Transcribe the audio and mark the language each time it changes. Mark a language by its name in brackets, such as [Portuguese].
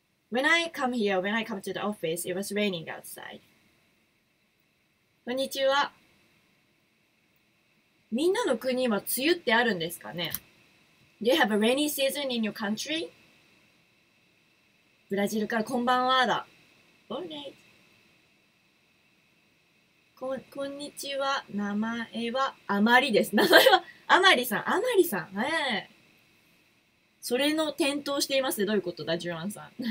[English] When I come to the office, it was raining outside. [Japanese] こんにちは。みんなの国は梅雨ってあるんですかね？ [English] Do you have a rainy season in your country? [Japanese] ブラジルからこんばんはだ。 [English] Alright. [Japanese] こんにちは。名前はあまりです。名前はあまりさん。あまりさん。ええ。それの点灯しています。どういうことだ、ジュアンさん。